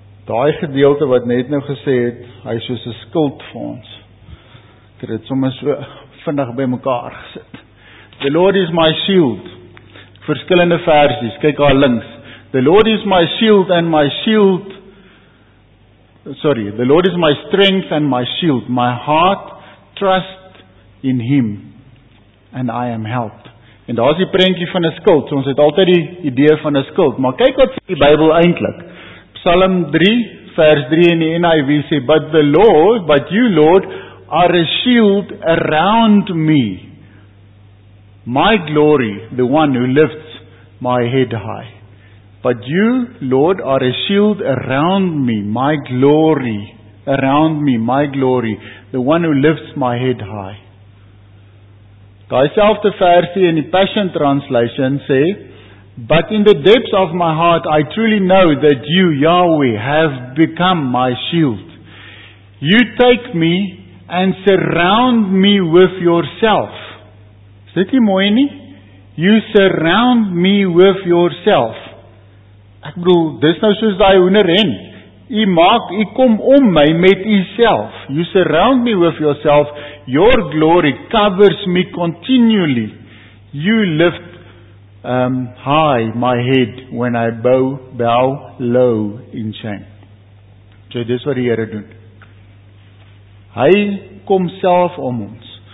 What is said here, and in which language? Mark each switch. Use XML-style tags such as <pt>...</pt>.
<af>Daai gedeelte wat net nou gesê het, hy is soos 'n skild vir ons. Ek het dit sommer so vinnig by mekaar gesit.</af> <en>The Lord is my shield.</en> <af>Verskillende versies, kyk daar links.</af> <en>The Lord is my shield and my shield. Sorry, the Lord is my strength and my shield. My heart trust in Him and I am helped.</en> <af>En daar is die prentjie van 'n skild. So ons het altyd die idee van 'n skild. Maar kyk wat sê die Bybel eintlik.</af> <en>Psalm 3</en> <af>vers 3 in die NIV sê,</af> <en>But you Lord are a shield around me. My glory, the one who lifts my head high. But you, Lord, are a shield around me, my glory, around me, my glory, the one who lifts my head high.</en> <af>Daai selfde versie in die Passion Translation sê,</af> <en>But in the depths of my heart, I truly know that you, Yahweh, have become my shield. You take me and surround me with yourself.</en> <af>Is dit nie mooi nie?</af> <en>You surround me with yourself.</en> <af>Ek bedoel, dis nou soos daai hoenderhen. U maak, u kom om my met u self.</af> <en>You surround me with yourself. Your glory covers me continually. You lift high my head when I bow low in shame.</en> <af>So dis wat die Here doen. Hy kom self om ons.</af>